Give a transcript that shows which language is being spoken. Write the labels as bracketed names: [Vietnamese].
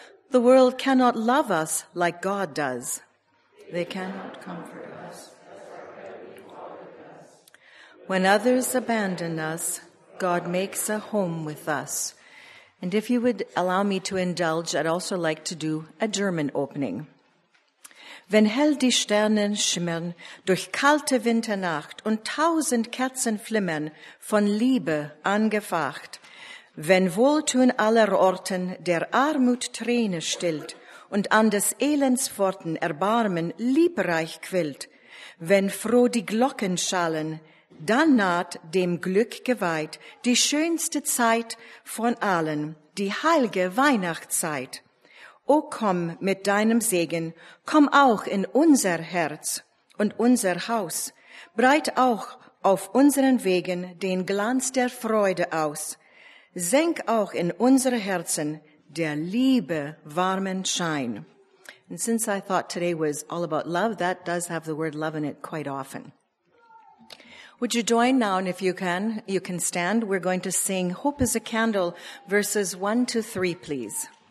[English] The world cannot love us like God does. They cannot comfort us. When others abandon us, God makes a home with us. And if you would allow me to indulge, I'd also like to do a German opening. [German] Wenn hell die Sterne schimmern durch kalte Winternacht und tausend Kerzen flimmern von Liebe angefacht, wenn Wohltun aller Orten der Armut Träne stillt und an des Elends Pforten Erbarmen liebreich quillt, wenn froh die Glocken schallen, dann naht dem Glück geweiht die schönste Zeit von allen, die heilige Weihnachtszeit. O komm mit deinem Segen, komm auch in unser Herz und unser Haus, breit auch auf unseren Wegen den Glanz der Freude aus, senk auch in unsere Herzen der Liebe warmen Schein. [English] And since I thought today was all about love, that does have the word love in it quite often. Would you join now, and if you can, you can stand. We're going to sing Hope is a Candle, verses 1-3, please.